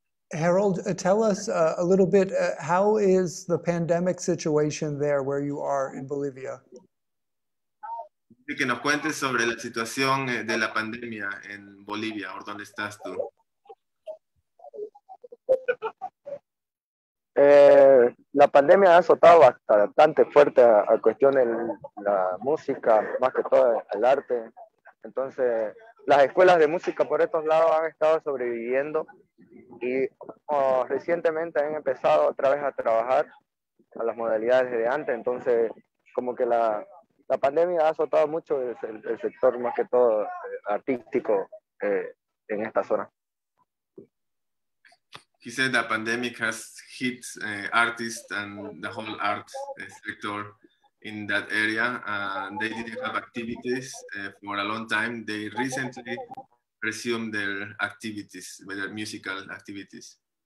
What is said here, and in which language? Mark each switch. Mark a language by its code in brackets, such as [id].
[en] Harold, tell us a little bit, how is the pandemic situation there where you are in Bolivia? [es] Que nos cuentes sobre la situación de la pandemia en Bolivia, o donde estás tú. La pandemia ha azotado bastante fuerte a cuestión de la música, más que todo el arte. Entonces, las escuelas de música por estos lados han estado sobreviviendo. Y recientemente han empezado otra vez a trabajar a las modalidades de antes. Entonces, como que la pandemia ha azotado mucho el sector, más que todo artístico, en esta zona. [en] He said the pandemic has hit artists and the whole art sector in that area. They didn't have activities for a long time. They recently resume their activities, their musical activities.